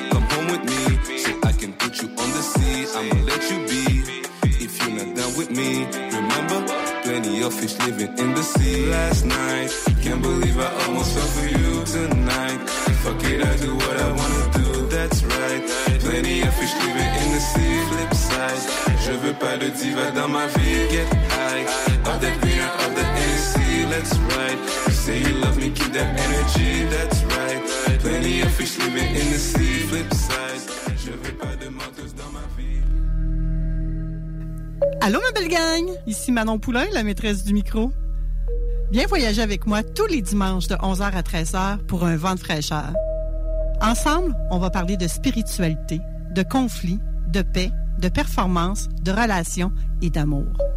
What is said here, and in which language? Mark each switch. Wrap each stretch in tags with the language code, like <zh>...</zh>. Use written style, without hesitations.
<en>Come home with me, so I can put you on the sea. I'ma let you be, if you're not down with me. Remember, plenty of fish living in the sea. Last night, can't believe I almost fell for you tonight. Fuck it, I do what I wanna do, that's right. Plenty of fish living in the sea. Flip side,</en> <fr>je veux pas de diva dans ma vie.</fr> <en>Get high, up that green, up that AC, let's ride. Say you love me, keep that energy, that's right. Plenty of fish living in the sea. Flip side,</en> <fr>je veux pas de menteuse dans ma vie. Allô, ma belle gang! Ici Manon Poulain, la maîtresse du micro. Viens voyager avec moi tous les dimanches de 11h à 13h pour un vent de fraîcheur. Ensemble, on va parler de spiritualité, de conflits, de paix, de performance, de relations et d'amour.</fr>